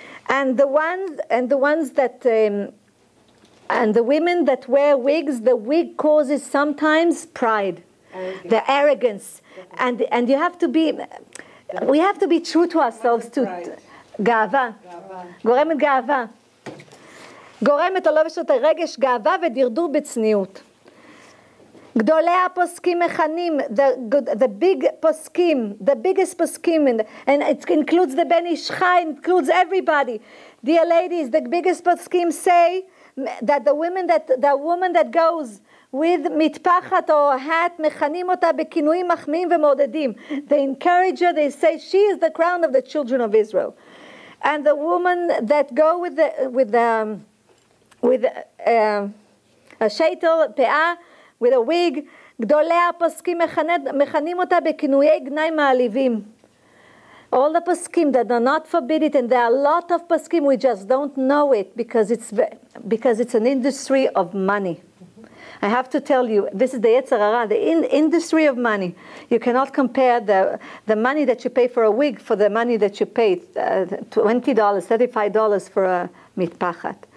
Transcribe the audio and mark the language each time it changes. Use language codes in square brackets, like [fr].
[en] And the women that wear wigs, the wig causes sometimes pride, the arrogance. And you have to be, we have to be true to ourselves too. [he] גאווה. גורמת גאווה. גורמת הלבשות הרגש גאווה ודרדור בצניעות. גדולי הפוסקים מכנים, the big פוסקים, the biggest פוסקים, and it includes the בן איש חי, includes everybody. [en] Dear ladies, the biggest פוסקים say that the woman that goes with מטפחת or hat, מכנים אותה בכינויים מחמיאים ומעודדים. They encourage her, they say she is the crown of the children of Israel. And the woman that go with a sheitel, pe'ah, with a wig, גדולי הפוסקים מכנים אותה בכינויי גנאי מעליבים. All the poskim that do not forbid it, and there are a lot of poskim, we just don't know it, because it's an industry of money. Mm-hmm. I have to tell you, this is the Yetzer Hara, the industry of money. You cannot compare the money that you pay for a wig for the money that you pay, $20, $35 for a mitpachat.